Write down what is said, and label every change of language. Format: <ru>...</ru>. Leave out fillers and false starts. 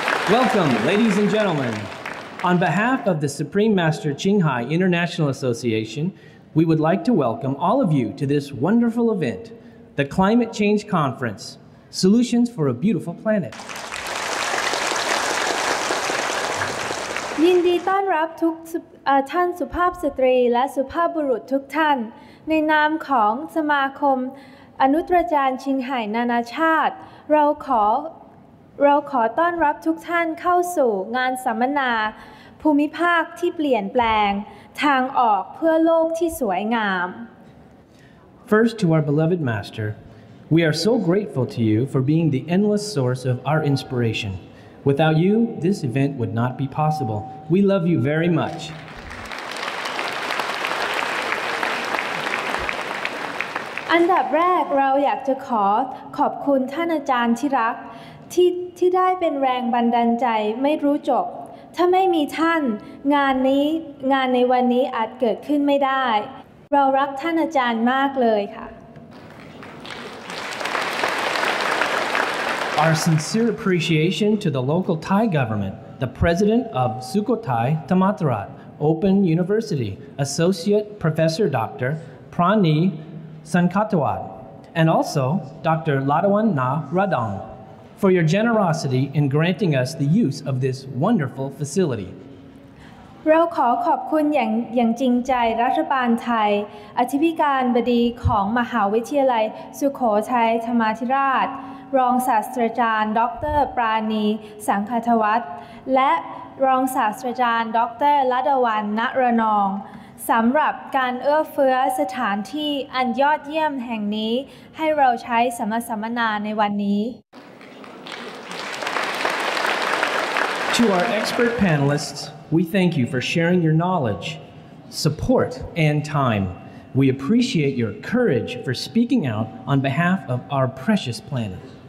<en>Welcome, ladies and gentlemen. On behalf of the Supreme Master Qinghai International Association, we would like to welcome all of you to this wonderful event, the Climate Change Conference, Solutions for a Beautiful Planet.</en> <th>ยินดีต้อนรับทุกท่านสุภาพสตรีและสุภาพบุรุษทุกท่านในนามของสมาคมอนุตรจารย์ชิงไห่นานาชาติเราขอต้อนรับทุกท่านเข้าสู่งานสัมมนาภูมิภาคที่เปลี่ยนแปลงทางออกเพื่อโลกที่สวยงาม</th> <en>First to our beloved master, we are so grateful to you for being the endless source of our inspiration. Without you, this event would not be possible. We love you very much.</en> <th>อันดับแรกเราอยากจะขอบคุณท่านอาจารย์ที่รักที่ได้เป็นแรงบันดาลใจไม่รู้จบถ้าไม่มีท่านงานในวันนี้อาจเกิดขึ้นไม่ได้ เรารักท่านอาจารย์มากเลยค่ะ</th> <en>Our sincere appreciation to the local Thai government, the president of Sukhothai Thammarat Open University, Associate Professor Dr. Prani Sankatwat, and also Dr. Ladawan Na Radong. For your generosity in granting us the use of this wonderful facility.</en> <th>เราขอขอบคุณอย่างจริงใจรัฐบาลไทยอธิการบดีของมหาวิทยาลัยสุโขทัยธรรมาธิราชรองศาสตราจารย์ดร. ปราณีสังฆทวัตและรองศาสตราจารย์ดร. ลดวรรณ ณรนองสำหรับการเอื้อเฟื้อสถานที่อันยอดเยี่ยมแห่งนี้ให้เราใช้สัมมนาในวันนี้</th> <en>To our expert panelists, we thank you for sharing your knowledge, support, and time. We appreciate your courage for speaking out on behalf of our precious planet.</en>